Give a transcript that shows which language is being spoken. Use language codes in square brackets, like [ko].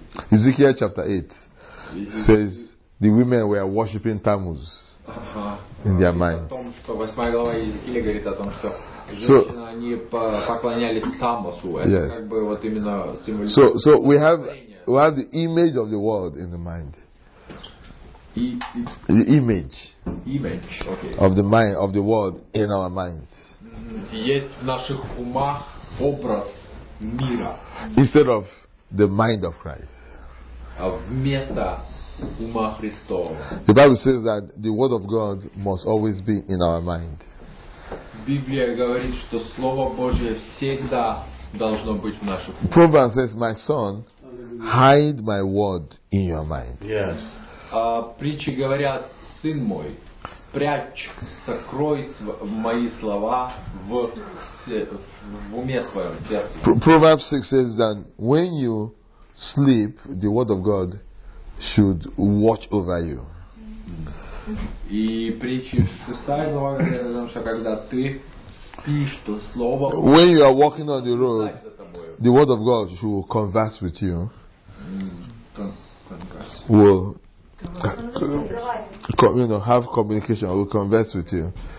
[en] Ezekiel chapter 8 says the women were worshipping Tammuz in their mind. [ru] 8 глава Ezekiel говорит о том, что женщины, они поклонялись Тамосу, это [en] yes. [ru] Как бы вот именно символизм. [en] So we have the image of the world in the mind. The image. Image, okay. Of the mind, of the world in our minds. [ru] Есть в наших умах образ мира. [en] Instead of the mind of Christ. [ru] А вместо ума Христова. [en] The Bible says that the word of God must always be in our mind. [ru] Библия говорит, что Слово Божье всегда должно быть в наших умах. [en] Proverbs says, my son, hide my word in your mind. Yes. [ru] Притчи говорят, сын мой, Прячь, сокрой мои слова в уме своем, сердце. [en] Proverbs 6 says that when you sleep, the word of God should watch over you. [ru] И притчи 6 глава говорит, что когда ты спишь, то слово... [en] When you are walking on the road, the word of God should converse with you. Well, you know, have communication or converse with you.